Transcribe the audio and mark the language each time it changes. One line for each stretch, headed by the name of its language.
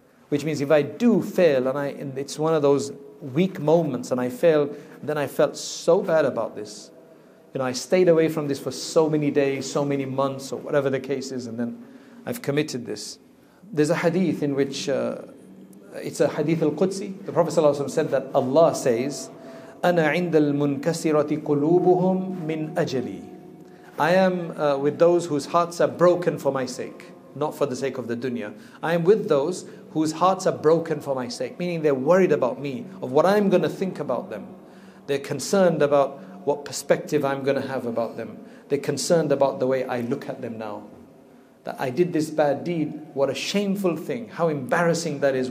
English: Which means if I do fail and it's one of those weak moments and I fail, then I felt so bad about this. You know, I stayed away from this for so many days, so many months, or whatever the case is, and then I've committed this. There's a hadith in which, it's a hadith al-Qudsi. The Prophet ﷺ said that Allah says,
Arabic: أَنَا عِنْدَ الْمُنْكَسِرَةِ قُلُوبُهُمْ مِنْ أَجَلِي.
English: I am with those whose hearts are broken for my sake, not for the sake of the dunya. I am with those whose hearts are broken for my sake, meaning they're worried about me, of what I'm going to think about them. They're concerned about what perspective I'm going to have about them. They're concerned about the way I look at them now. That I did this bad deed, what a shameful thing, how embarrassing that is.